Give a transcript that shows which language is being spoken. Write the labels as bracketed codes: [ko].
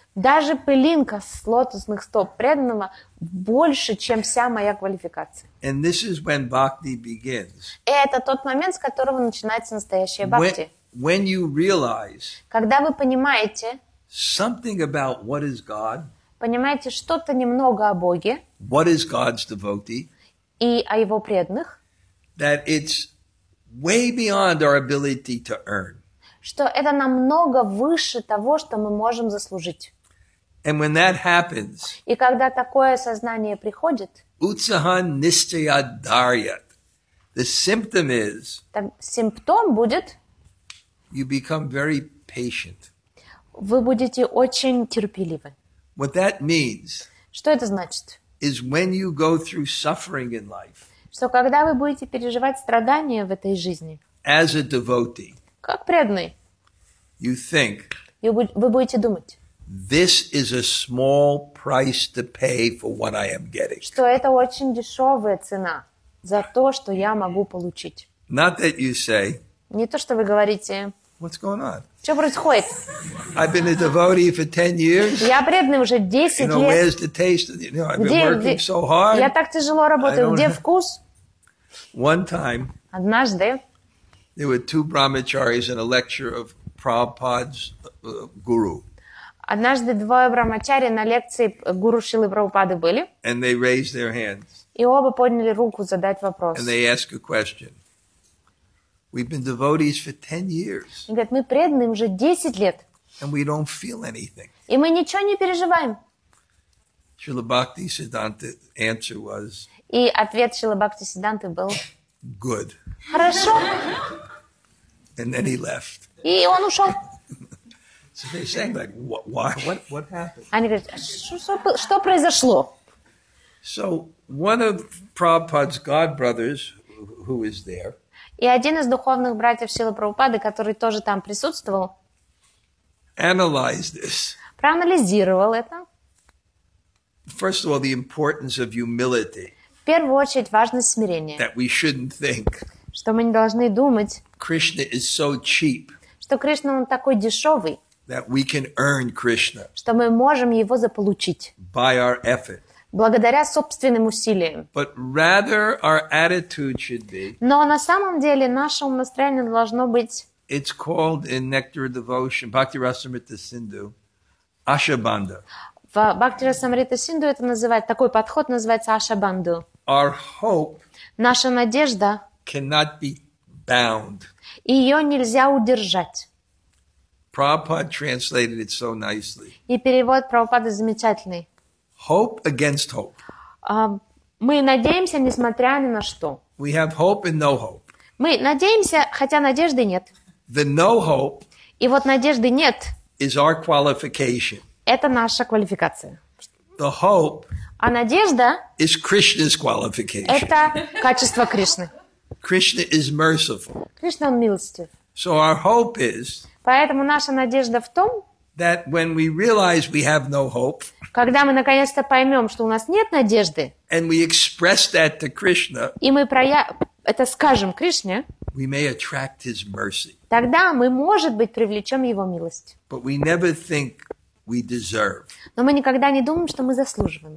[ru] Даже пылинка с лотосных стоп преданного больше, чем вся моя квалификация. [en] And this is when bhakti begins. [ru] И это тот момент, с которого начинается настоящая бхакти. [en] When you realize, [ru] когда вы понимаете, [en] something about what is God. [ru] Понимаете, что-то немного о Боге. [en] What is God's devotee? [ru] И о его преданных. [en] That it's way beyond our ability to earn. [ru] Что это намного выше того, что мы можем заслужить. [en] And when that happens, [ru] и когда такое сознание приходит, [sa] utsahan nischaya dharyat. [en] The symptom is, [ru] так, симптом будет, [en] you become very patient. [ru] Вы будете очень терпеливы. [en] What that means, [ru] что это значит? [en] Is when you go through suffering in life, [ru] что когда вы будете переживать страдания в этой жизни, [en] as a devotee, [ru] как преданный, [en] you think, [ru] вы будете думать, [en] this is a small price to pay for what I am getting. [ru] Что это очень дешевая цена за то, что я могу получить. [en] Not that you say, [ru] не то, что вы говорите, [en] what's going on? [ru] Что происходит? [en] I've been a devotee for 10 years. [ru] Я преданный уже 10 лет. [en] Where's the taste? You know, I've been working so hard. [ru] Я так тяжело работаю. Где вкус? [en] One time. [ru] Однажды. [en] There were two brahmacharis in a lecture of Prabhupada's guru. [ru] Однажды двое брахмачари на лекции гуру Шрилы Прабхупады были. [en] And they raised their hands. [ru] И оба подняли руку задать вопрос. [en] And they ask a question. We've been devotees for 10 years. [ru] И говорят, мы преданы уже 10 лет. [en] And we don't feel anything. [ru] И мы ничего не переживаем. [en] Шрила Бхакти Сидданта answer was. [ru] И ответ Шрилы Бхакти Сидданты был. [en] Good. [ru] Хорошо. [en] And then he left. [ru] И он ушел. [en] So they're saying like, what happened? [ru] Они говорят, что произошло? [en] So one of Prabhupada's god brothers, who is there? [ru] И один из духовных братьев Шрилы Прабхупады, который тоже там присутствовал, [en] analyzed this. [ru] Проанализировал это. [en] First of all, the importance of humility. [ru] В первую очередь важность смирения. [en] That we shouldn't think. [ru] Что мы не должны думать. [en] Krishna is so cheap. [ru] Что Кришна он такой дешевый. [en] That we can earn Krishna. [ru] Что мы можем его заполучить. [en] By our effort. [ru] Благодаря собственным усилиям. [en] But rather our attitude should be. [ru] Но на самом деле наше настроение должно быть. [en] It's called in Nectar of Devotion, Bhakti Rasamrita Sindhu, Ashabandha. [ru] В Bhakti Rasamrita Sindhu это называют, такой подход называется Ashabandhu. [en] Our hope. [ru] Наша надежда. [en] Cannot be bound. [ru] Ее нельзя удержать. [en] Prabhupada translated it so nicely. [ru] И перевод Прабхупады замечательный. [en] Hope against hope. [ru] Мы надеемся, несмотря ни на что. [en] We have hope and no hope. [ru] Мы надеемся, хотя надежды нет. [en] The no hope. [ru] И вот надежды нет. [en] Is our qualification. [ru] Это наша квалификация. [en] The hope. [ru] А надежда. [en] Is Krishna's qualification. [ru] Это качество Кришны. [en] Krishna is merciful. [ru] Кришна милостив. [en] So our hope is. [ru] Поэтому наша надежда в том, [en] that when we realize we have no hope, [ru] когда мы наконец-то поймем, что у нас нет надежды, [en] and we express that to Krishna, [ru] и мы это скажем Кришне, [en] we may attract his mercy. [ru] Тогда мы, может быть, привлечем его милость. [en] But we never think we deserve. [ru] Но мы никогда не думаем, что мы заслуживаем.